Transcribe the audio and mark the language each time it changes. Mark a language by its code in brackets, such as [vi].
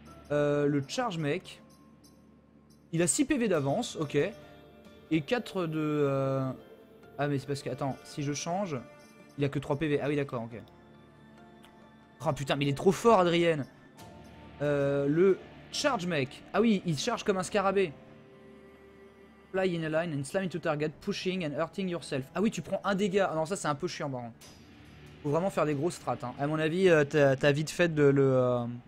[fr] Le charge mec, il a 6 PV d'avance, ok. Et 4 de... Ah mais c'est parce que, attends, si je change, il a que 3 PV, ah oui d'accord, ok. Oh putain, mais il est trop fort, Adrienne. Le charge mec. Ah oui, il charge comme un scarabée. [en] Fly in a line and slam into target, pushing and hurting yourself. [fr] Ah oui, tu prends un dégât. Ah non, ça c'est un peu chiant, par contre. Faut vraiment faire des grosses strats. Hein. À mon avis, t'as vite fait de le.